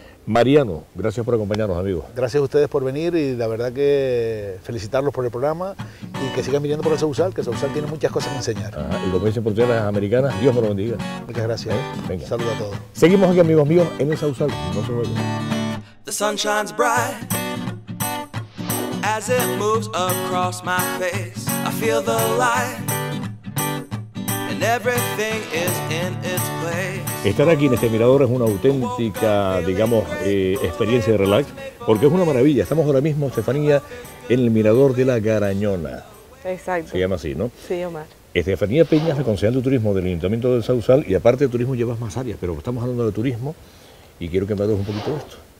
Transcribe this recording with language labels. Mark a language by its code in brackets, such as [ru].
[es] Mariano, gracias por acompañarnos, amigos. Gracias a ustedes por venir, y la verdad que felicitarlos por el programa y que sigan viniendo por el Sausal, que el Sausal tiene muchas cosas que enseñar. Ajá, y como dicen por ustedes las americanas, Dios me lo bendiga. Muchas gracias. Venga. Saludos a todos. Seguimos aquí, amigos míos, en el Sausal. No se vayan. [en] The sun shines bright as it moves across my face. I feel the light and everything is in its place. [es] Estar aquí en este mirador es una auténtica, digamos, experiencia de relax, porque es una maravilla. Estamos ahora mismo, Estefanía, en el mirador de la Garañona. Exacto. Se llama así, ¿no? Sí, Omar. Estefanía Peña, concejal de turismo del Ayuntamiento del Sausal, y aparte de turismo llevas más áreas, pero estamos hablando de turismo y quiero que me hables un poquito de esto.